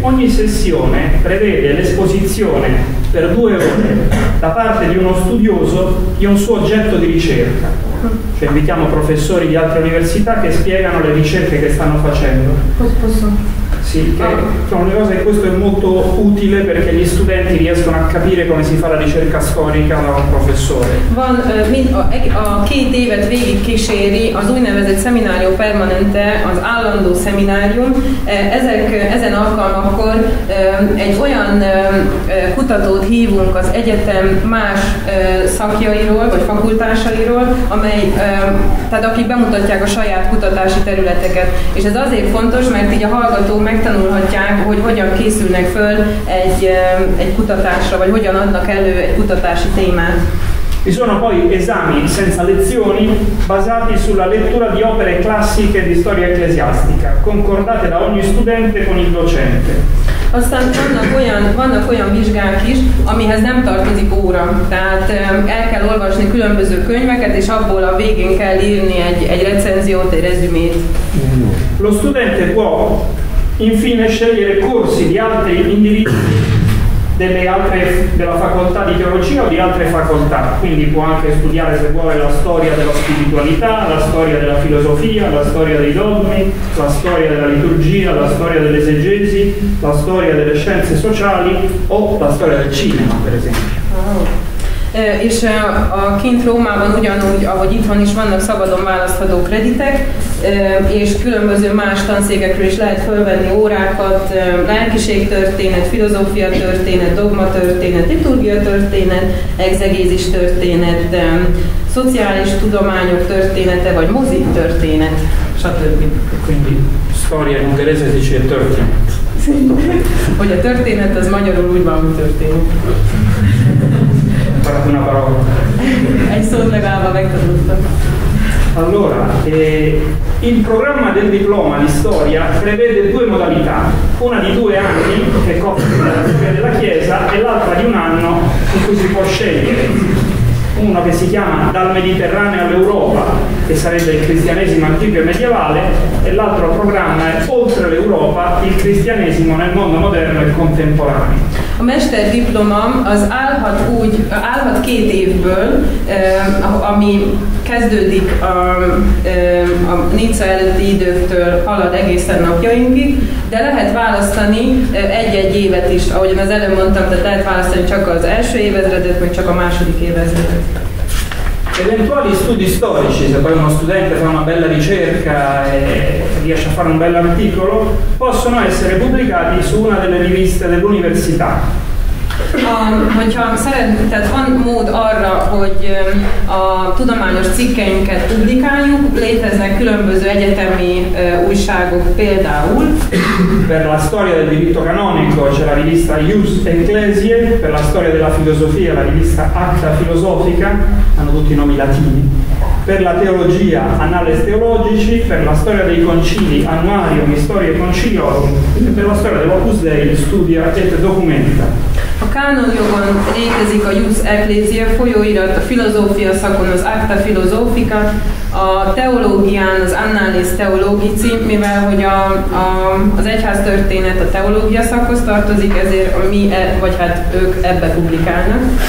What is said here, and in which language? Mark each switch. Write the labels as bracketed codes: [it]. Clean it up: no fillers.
[it] Ogni sessione prevede l'esposizione per due ore da parte di uno studioso di un suo oggetto di ricerca. cioè invitiamo professori di altre università che spiegano le ricerche che stanno facendo. Posso? Sì, che è una cosa, che questo è molto utile perché gli studenti riescono a capire come si fa la ricerca storica da un professore. [hu] Van, a két évet végig kíséri az úgynevezett szeminárium permanente, az állandó szeminárium. Ezen alkalmakkor egy olyan kutatót hívunk az egyetem más szakjairól, vagy fakultásairól, amely, tehát akik bemutatják a saját kutatási területeket. És ez azért fontos, mert így a hallgató megtanulhatják, hogy hogyan készülnek föl egy kutatásra, vagy hogyan adnak elő egy kutatási témát. [it] Ci sono poi esami senza lezioni basati sulla lettura di opere classiche di storia ecclesiastica, concordate da ogni studente con il docente. [hu] Aztán vannak olyan vizsgák is, amihez nem tartozik óra. Tehát el kell olvasni különböző könyveket, és abból a végén kell írni egy recenziót, egy rezümét. [it] Lo studente può infine scegliere corsi di altri individui delle altre della facoltà di teologia o di altre facoltà, quindi può anche studiare se vuole la storia della spiritualità, la storia della filosofia, la storia dei dogmi, la storia della liturgia, la storia dell'esegesi, la storia delle scienze sociali o la storia del cinema, per esempio. [hu] És a kint Rómában ugyanúgy, ahogy itthon is, vannak szabadon választható kreditek, és különböző más tanszékekről is lehet fölvenni órákat, lelkiségtörténet, filozófia történet, dogma történet, liturgia történet, egzegézis történet, szociális tudományok története, vagy mozi történet, stb. [it] Quindi storia in inglese dice történet. [hu] Hogy a történet az magyarul úgy van, hogy történet. [it] Una parola. Allora, il programma del diploma di storia prevede due modalità, una di due anni che copre la storia della Chiesa e l'altra di un anno in cui si può scegliere, una che si chiama dal Mediterraneo all'Europa, che sarebbe il cristianesimo antico e medievale, e l'altro programma è oltre l'Europa, il cristianesimo nel mondo moderno e contemporaneo. [hu] A mesterdiplomam az állhat két évből, ami kezdődik a Nica előtti időktől, halad egészen napjainkig, de lehet választani egy-egy évet is, ahogy az előbb mondtam, tehát lehet választani csak az első évezredet, vagy csak a második évezredet. [it] Eventuali studi storici, se poi uno studente fa una bella ricerca e riesce a fare un bell'articolo, possono essere pubblicati su una delle riviste dell'università. [hu] Hogyha szeretnénk, tehát van mód arra, hogy a tudományos cikkeinket publikáljuk, léteznek különböző egyetemi újságok például. [it] Per la storia del diritto canonico c'è la rivista Ius Ecclesiae, per la storia della filosofia la rivista Acta Filosofica, hanno tutti i nomi latini, per la teologia Annales Theologici, per la storia dei concili Annuarium Historiae Conciliorum, e per la storia dell'Opus Dei Studia et Documenta. [hu] A kánonjogon létezik a Jus Ecclesiae folyóirat, a filozófia szakon az Acta Philosophica, a teológián az Annales Theologici, mivel hogy az egyháztörténet a teológia szakhoz tartozik, ezért ők ebbe publikálnak.